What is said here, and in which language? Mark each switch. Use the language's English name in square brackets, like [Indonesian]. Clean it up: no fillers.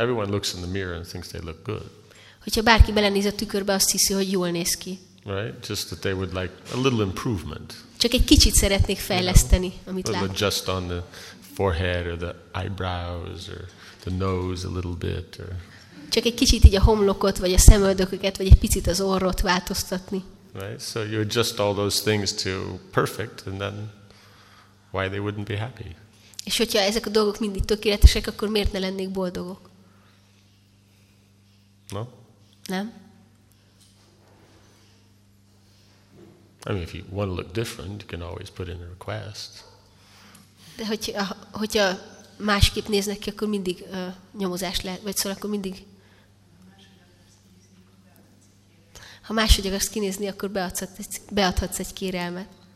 [English] Everyone looks in the mirror and thinks they look good. [Hungarian] Hogyha bárki belenéz a tükörbe, azt hiszi, hogy jól néz ki. [English] Right? Just that they would like a little improvement. [Hungarian] Csak egy kicsit szeretnék fejleszteni, you know, amit látok. [English] Just on the forehead or the eyebrows or the nose a little bit or [Hungarian] csak egy kicsit így a homlokot vagy a szemöldököket vagy egy picit az orrot változtatni. [English] Right, so you adjust all those things to perfect, and then why they wouldn't be happy? [Hungarian] És hogyha ezek a dolgok mindig tökéletesek, akkor miért ne lennék boldogok? [English] No? [Hungarian] Nem. [English] I mean, if you want to look different, you can always put in a request. [Hungarian] De hogyha másképp néznek ki, akkor mindig nyomozás lehet, vagy szóval akkor mindig. Ha máshogy akarsz kinézni, akkor beadhatsz egy kérelmet.